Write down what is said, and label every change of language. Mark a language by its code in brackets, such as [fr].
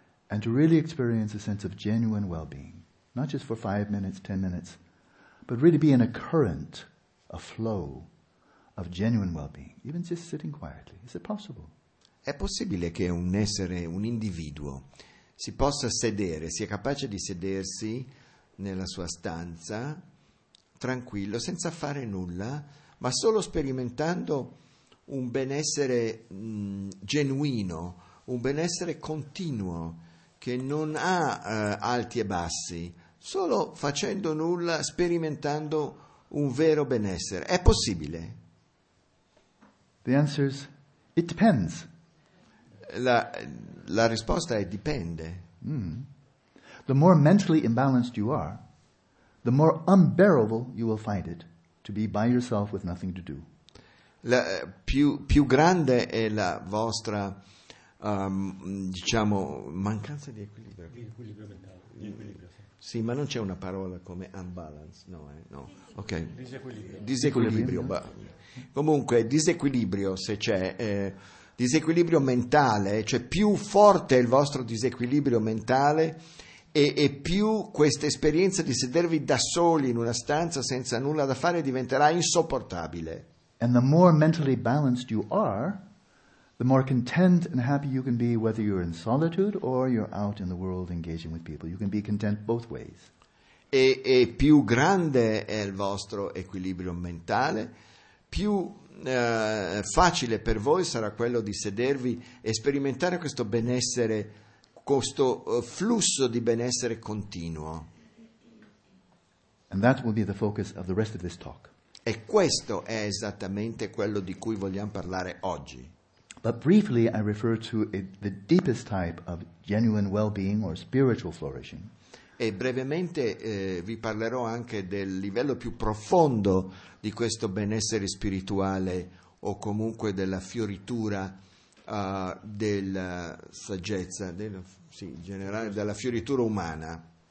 [en] And to really experience a sense of genuine well-being, not just for 5 minutes, 10 minutes, but really be in a current, a flow of genuine well-being, even just sitting quietly. Is it possible? [it] È possibile che un essere, un individuo, si possa sedere, sia capace di sedersi nella sua stanza, tranquillo, senza fare nulla, ma solo sperimentando un benessere genuino, un benessere continuo, che non ha alti e bassi, solo facendo nulla, sperimentando un vero benessere. È possibile? [en] The answer is, it depends. [it] La risposta è dipende. [en] The more mentally imbalanced you are, the more unbearable you will find it to be by yourself with nothing to do. [it] Più grande è la vostra diciamo mancanza di equilibrio. Di equilibrio mentale. Sì, ma non c'è una parola come unbalance, no? No. Ok. Disequilibrio. Comunque disequilibrio se c'è. Disequilibrio mentale, cioè più forte è il vostro disequilibrio mentale e più questa esperienza di sedervi da soli in una stanza senza nulla da fare diventerà insopportabile. [en] And the more mentally balanced you are, the more content and happy you can be whether you're in solitude or you're out in the world engaging with people. You can be content both ways. [it] E più grande è il vostro equilibrio mentale, più facile per voi sarà quello di sedervi e sperimentare questo benessere, questo flusso di benessere continuo. [en] And that will be the focus of the rest of this talk. [it] E questo è esattamente quello di cui vogliamo parlare oggi. [en] But briefly I refer to the deepest type of genuine well-being or spiritual flourishing. [it] E brevemente vi parlerò anche del livello più profondo di questo benessere spirituale o comunque della fioritura della saggezza, della fioritura umana.